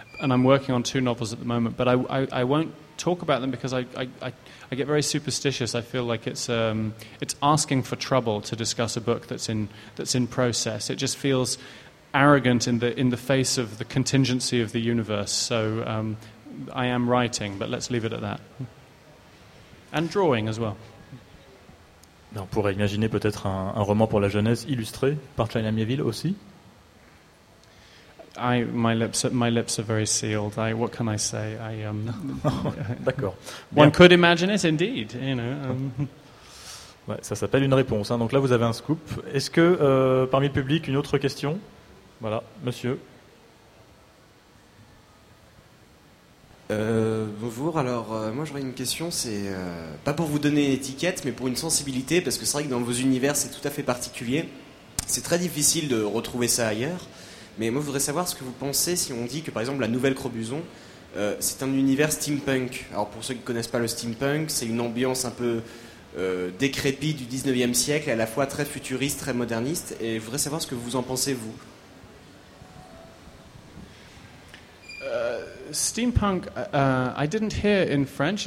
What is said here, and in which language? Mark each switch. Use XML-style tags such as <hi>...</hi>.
<en>And I'm working on two novels at the moment, but I won't talk about them because I get very superstitious. I feel like it's asking for trouble to discuss a book that's in process. It just feels arrogant in the face of the contingency of the universe. So I am writing, but let's leave it at that. And drawing as well.</en> <fr>On pourrait imaginer peut-être un roman pour la jeunesse illustré par China Mieville aussi.</fr> <en>My lips are very sealed. What can I say?</en> <fr>D'accord. Bien.</fr> <en>One could imagine it, indeed. You know.</en> <fr>Ouais, ça s'appelle une réponse. Donc là, vous avez un scoop. Est-ce que parmi le public, une autre question? Voilà, monsieur. Bonjour. Alors, moi, j'aurais une question. C'est pas pour vous donner une étiquette, mais pour une sensibilité, parce que c'est vrai que dans vos univers, c'est tout à fait particulier. C'est très difficile de retrouver ça ailleurs. Mais moi, je voudrais savoir ce que vous pensez si on dit que, par exemple, la Nouvelle Crobuzon, c'est un univers steampunk. Alors, pour ceux qui ne connaissent pas le steampunk, c'est une ambiance un peu décrépite du 19e siècle, à la fois très futuriste, très moderniste. Et je voudrais savoir ce que vous en pensez, vous.</fr> <en>Steampunk, I didn't hear in French.</en>